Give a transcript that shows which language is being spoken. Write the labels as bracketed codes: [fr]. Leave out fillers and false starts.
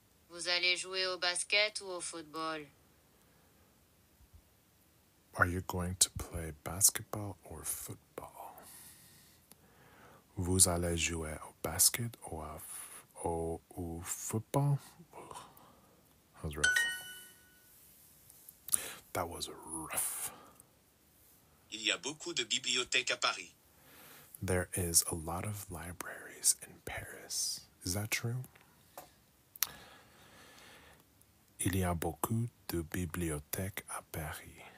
[fr] Vous allez jouer au basket ou au football? [en] Are you going to play basketball or football? [fr] Vous allez jouer au basket ou au football? [en] Ugh. That was rough. That was rough. [fr] Il y a beaucoup de bibliothèques à Paris. [en] There is a lot of libraries in Paris. Is that true? [fr] Il y a beaucoup de bibliothèques à Paris.